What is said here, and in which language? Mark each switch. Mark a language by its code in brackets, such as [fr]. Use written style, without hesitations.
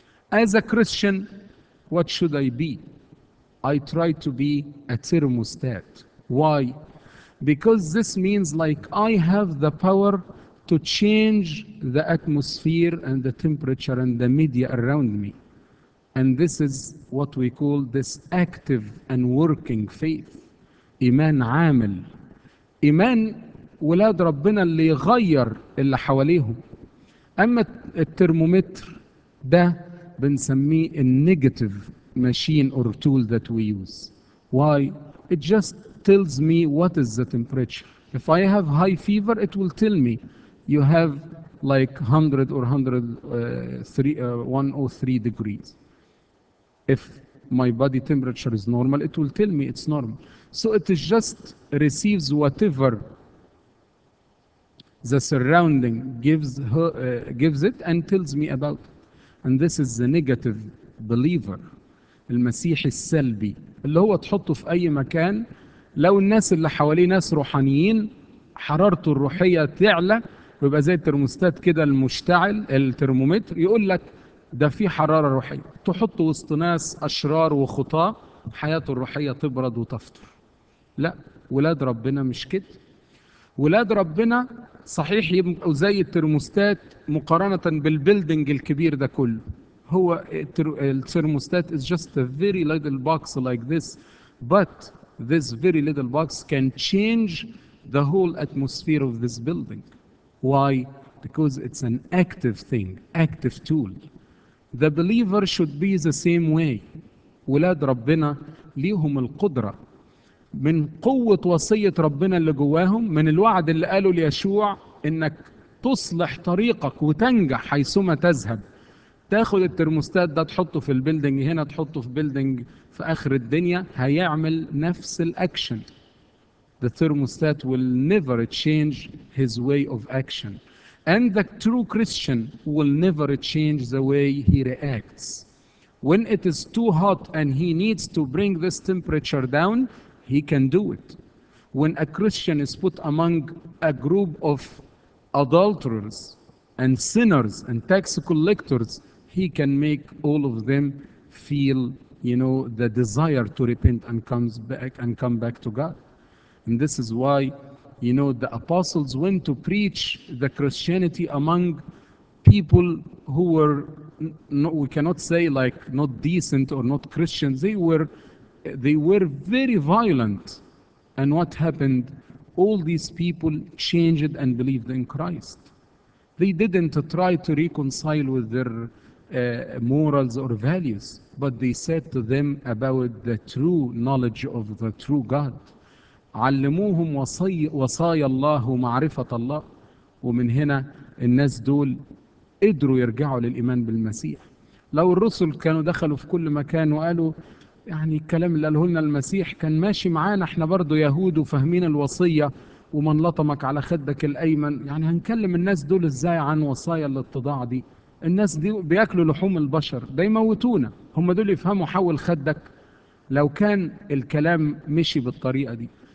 [en] As a Christian, what should I be? I try to be a thermostat. Why? Because this means like I have the power to change the atmosphere and the temperature and the media around me. And this is what we call this active and working faith. [ar] إيمان عامل. إيمان ولاد ربنا اللي يغير اللي حواليهم. أما الترمومتر ده بنسميه [en] a negative machine or tool that we use. Why? It just tells me what is the temperature. If I have high fever, it will tell me you have like 100 or 103 degrees. If my body temperature is normal, it will tell me it's normal. So it is just receives whatever the surrounding gives it and tells me about it. And this is the negative believer, [ar] المسيحي السلبي, اللي هو تحطه في أي مكان. لو الناس اللي حواليه ناس روحانيين, حرارته الروحية تعلى, يبقى زي الترموستات كده المشتعل, الترمومتر, يقول لك ده في حرارة روحية. تحطه وسط ناس أشرار وخطاة, حياته الروحية تبرد وتفطر. لا, ولاد ربنا مش كده. ولاد ربنا صحيح يبقوا زي الترموستات مقارنة بالبيلدنج الكبير ده كله. هو الترموستات [en] is just a very little box like this, but this very little box can change the whole atmosphere of this building. Why? Because it's an active thing, active tool. The believer should be the same way. [ar] ولاد ربنا ليهم القدرة من قوة وصية ربنا اللي جواهم, من الوعد اللي قاله ليشوع انك تصلح طريقك وتنجح حيثما تذهب. تاخد الترموستات ده تحطه في البيلدنج هنا, تحطه في بيلدنج في اخر الدنيا, هيعمل نفس الاكشن. [en] The thermostat will never change his way of action. And the true Christian will never change the way he reacts. When it is too hot and he needs to bring this temperature down, he can do it. When a Christian is put among a group of adulterers and sinners and tax collectors, he can make all of them feel, you know, the desire to repent and comes back and come back to God. And this is why, you know, the apostles went to preach the Christianity among people who were, we cannot say like not decent or not Christians. They were very violent. And what happened? All these people changed and believed in Christ. They didn't try to reconcile with their morals or values, but they said to them about the true knowledge of the true God. [ar] علموهم وصايا الله ومعرفة الله. ومن هنا الناس دول قدروا يرجعوا للإيمان بالمسيح. لو الرسل كانوا دخلوا في كل مكان وقالوا يعني الكلام اللي قاله لنا المسيح كان ماشي معانا, احنا برضو يهود وفاهمين الوصية, ومن لطمك على خدك الأيمن, يعني هنكلم الناس دول ازاي عن وصايا الاتضاع دي؟ الناس دي بيأكلوا لحوم البشر, ده يموتونا, هم دول يفهموا حول خدك؟ لو كان الكلام مشي بالطريقة دي.